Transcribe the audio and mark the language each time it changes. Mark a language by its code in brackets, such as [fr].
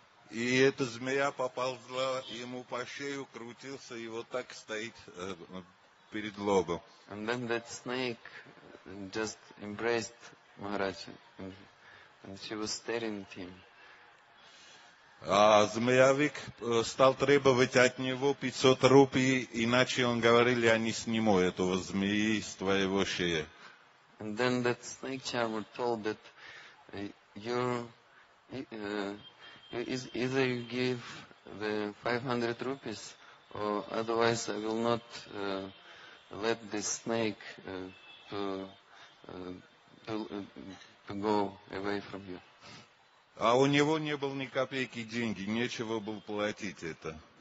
[ru] И эта змея поползла ему по шею, крутился, и вот так стоит перед лобом. [en] And then that snake just embraced Maharaja, and she was staring at him. [ru] А змеявик стал требовать от него 500 рупий, иначе он говорил, я не сниму этого змеи с твоего шеи. [en] And then that snake charmer told that either you give the 500 rupees, or otherwise I will not let this snake to go away from you. [ru] А у него не было ни копейки деньги, нечего было платить это.